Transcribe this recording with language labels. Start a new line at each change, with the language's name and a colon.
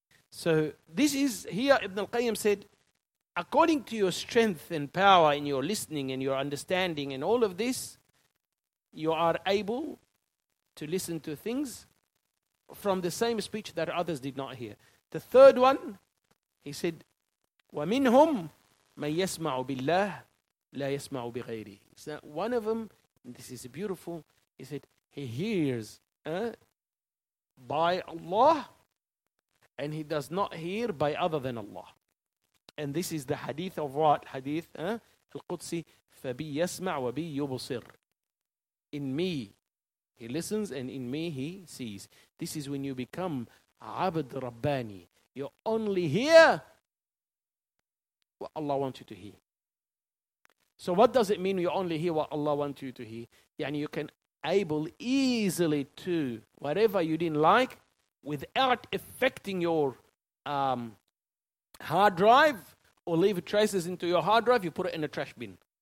English: So this is here, Ibn al-Qayyim said, according to your strength and power in your listening and your understanding and all of this, you are able to listen to things from the same speech that others did not hear. The third one, he said,
Arabic: وَمِنْهُمْ مَنْ يَسْمَعُ بِاللَّهِ لَا يَسْمَعُ بِغَيْرِهِ.
English: So one of them, and this is beautiful, he said, he hears by Allah and he does not hear by other than Allah. And this is the hadith of what?
Arabic: Hadith, Al-Qudsi, فَبِي يَسْمَعُ وَبِي يُبُصِرُ.
English: In me, he listens, and in me, he sees. This is when you become Abd Rabbani. You only hear what Allah wants you to hear. So what does it mean, you only hear what Allah wants you to hear? Yani you can able easily to whatever you didn't like without affecting your hard drive, or leave traces into your hard drive, you put it in a trash bin.